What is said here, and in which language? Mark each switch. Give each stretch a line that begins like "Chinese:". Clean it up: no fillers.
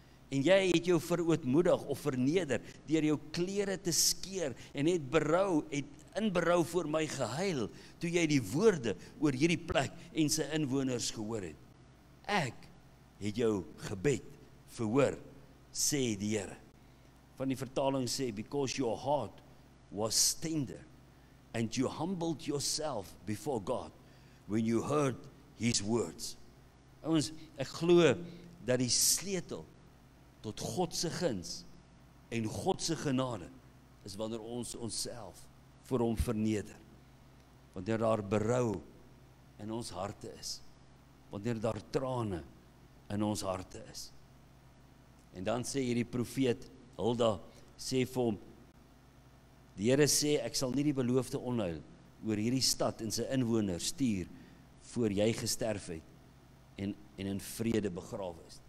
Afrikaans: en jy het jou verootmoedig of verneder, dier jou kleren te skeer, en het berouw, het in berouw voor my gehuil, toe jy die woorde oor hierdie plek en sy inwoners gehoor het. Ek het jou gebed verhoor, sê die Heere. Van die vertaling sê,
English: because your heart was tender, and you humbled yourself before God, when you heard his words.
Afrikaans: Ons, ek glo dat die sleutel tot Godse guns en Godse genade is wanneer ons onszelf voor hom verneder. Wanneer daar berouw in ons harte is. Wanneer daar tranen in ons harte is. En dan sê hierdie profeet Hulda, sê vir hom, die Heere sê, ek sal nie die belofte onheil oor hierdie stad en sy inwoners stuur voor jy gesterf het en in vrede begrawe is.